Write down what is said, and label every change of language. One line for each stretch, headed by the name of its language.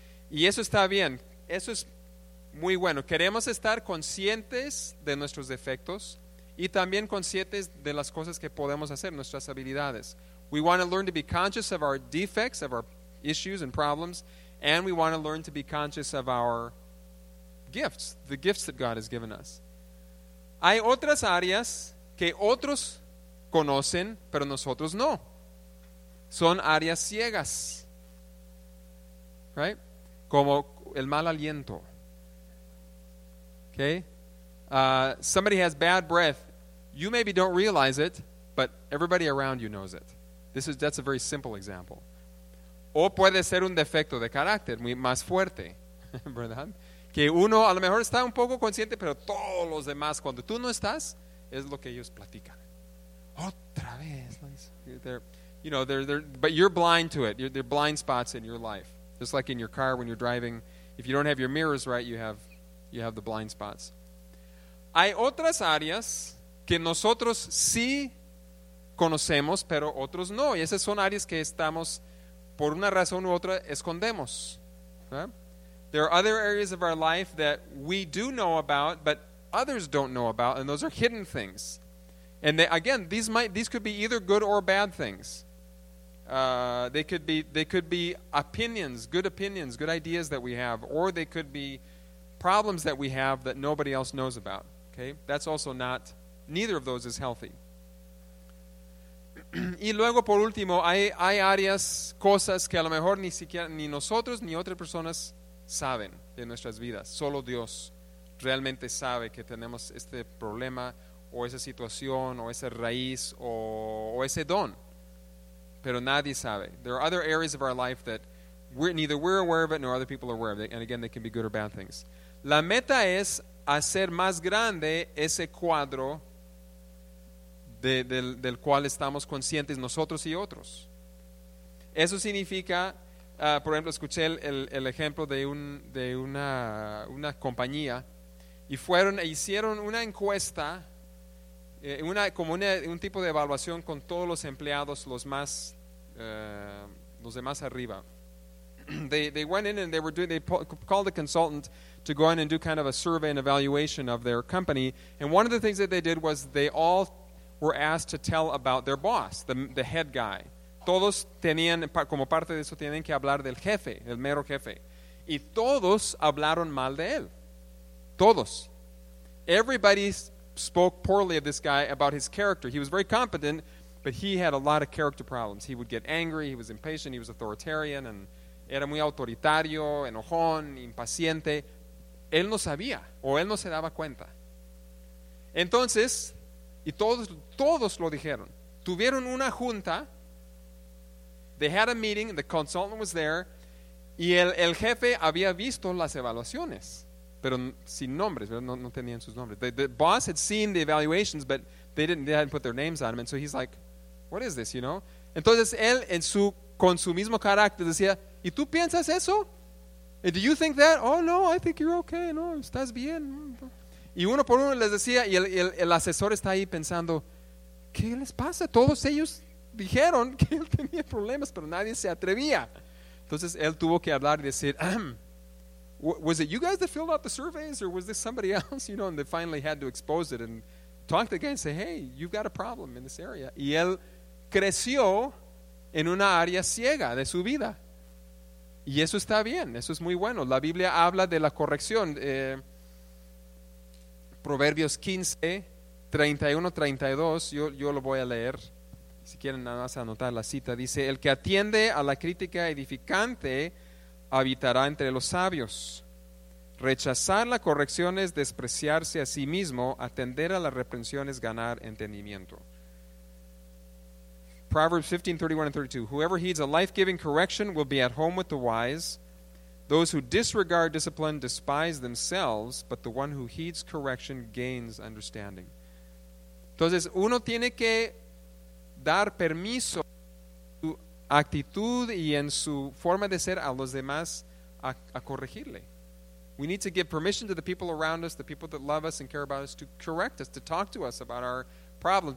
Spanish: Y eso está bien, eso es muy bueno. Queremos estar conscientes de nuestros defectos y también conscientes de las cosas que podemos hacer, nuestras habilidades.
English: We want to learn to be conscious of our defects, of our issues and problems, and we want to learn to be conscious of our gifts, the gifts that God has given us.
Spanish: Hay otras áreas que otros conocen, pero nosotros no. Son áreas ciegas.
English: Right?
Spanish: Como el mal aliento. Okay?
English: Somebody has bad breath. You maybe don't realize it, but everybody around you knows it. That's a very simple example.
Spanish: O puede ser un defecto de carácter, muy más fuerte, ¿verdad? Que uno a lo mejor está un poco consciente, pero todos los demás, cuando tú no estás, es lo que ellos platican. Otra vez.
English: But you're blind to it. There are blind spots in your life. Just like in your car when you're driving. If you don't have your mirrors right, you have the blind spots.
Spanish: Hay otras áreas que nosotros sí conocemos, pero otros no. Y esas son áreas que estamos, por una razón u otra, escondemos.
English: There are other areas of our life that we do know about, but others don't know about, and those are hidden things. And they, again, these could be either good or bad things. They could be good opinions, good ideas that we have, or they could be problems that we have that nobody else knows about. Okay, that's also not, neither of those is healthy.
Spanish: Y luego, por último, hay áreas, cosas que a lo mejor ni siquiera ni nosotros ni otras personas saben de nuestras vidas. Solo Dios realmente sabe que tenemos este problema o esa situación o esa raíz o ese don. Pero nadie sabe.
English: There are other areas of our life that neither we're aware of it nor other people are aware of it. And again, they can be good or bad things.
Spanish: La meta es hacer más grande ese cuadro del cual estamos conscientes nosotros y otros. Eso significa, por ejemplo, escuché el ejemplo de una compañía y fueron e hicieron una encuesta, un tipo de evaluación con todos los empleados, los de más arriba.
English: They went in and called a consultant to go in and do kind of a survey and evaluation of their company. And one of the things that they did was they all were asked to tell about their boss, the head guy.
Spanish: Todos tenían, como parte de eso, tienen que hablar del jefe, el mero jefe. Y todos hablaron mal de él. Todos.
English: Everybody spoke poorly of this guy about his character. He was very competent, but he had a lot of character problems. He would get angry, he was impatient, he was authoritarian, and
Spanish: era muy autoritario, enojón, impaciente. Él no sabía, o él no se daba cuenta. Entonces, y todos lo dijeron. Tuvieron una junta.
English: They had a meeting, the consultant was there,
Spanish: y el jefe había visto las evaluaciones, pero sin nombres, ¿verdad? No tenían sus nombres.
English: The boss had seen the evaluations, but they hadn't put their names on them, and so he's like, what is this, you know?
Spanish: Entonces, él, con su mismo carácter, decía, ¿y tú piensas eso?
English: And do you think that? Oh, no, I think you're okay, no,
Spanish: estás bien. Y uno por uno les decía, y el asesor está ahí pensando, ¿qué les pasa? Todos ellos dijeron que él tenía problemas, pero nadie se atrevía. Entonces él tuvo que hablar y decir,
English: was it you guys that filled out the surveys or was this somebody else? You know, and they finally had to expose it and talk to the guy and say, hey, you've got a problem in this area.
Spanish: Y él creció en una área ciega de su vida. Y eso está bien, eso es muy bueno. La Biblia habla de la corrección. Proverbios 15:31-32, yo lo voy a leer. Si quieren nada más anotar la cita, dice, el que atiende a la crítica edificante habitará entre los sabios. Rechazar la corrección es despreciarse a sí mismo, atender a la reprensión es ganar entendimiento.
English: Proverbs 15:31-32, whoever heeds a life-giving correction will be at home with the wise. Those who disregard discipline despise themselves, but the one who heeds correction gains understanding.
Spanish: Entonces, uno tiene que dar permiso en su actitud y en su forma de ser a los demás a corregirle.
English: We need to give permission to the people around us, the people that love us and care about us, to correct us, to talk to us about our problems.